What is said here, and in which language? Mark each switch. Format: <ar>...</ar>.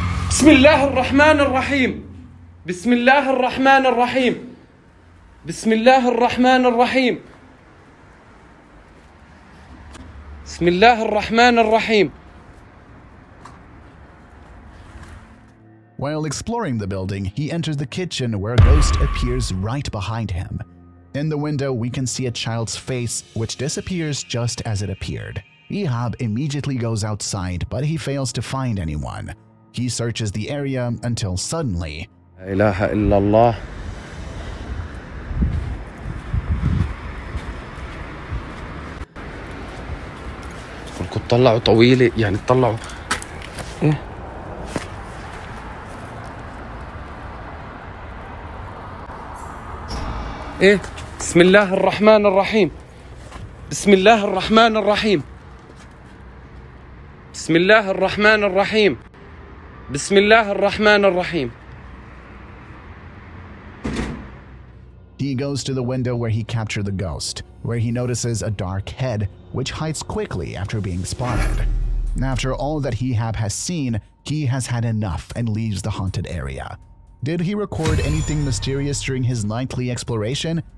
<ar>بسم الله الرحمن الرحيم بسم الله الرحمن الرحيم بسم الله الرحمن الرحيم بسم الله الرحمن الرحيم.</ar> <en>While exploring the building, he enters the kitchen where a ghost appears right behind him. In the window, we can see a child's face, which disappears just as it appeared. Ihab immediately goes outside, but he fails to find anyone. He searches the area until suddenly...</en> <ar>La ilaha illallah. إيه بسم الله الرحمن الرحيم بسم الله الرحمن الرحيم بسم الله الرحمن الرحيم بسم الله الرحمن الرحيم.</ar> <en>He goes to the window where he captured the ghost, where he notices a dark head which hides quickly after being spotted. After all that Ihab has seen, he has had enough and leaves the haunted area. Did he record anything mysterious during his nightly exploration?</en>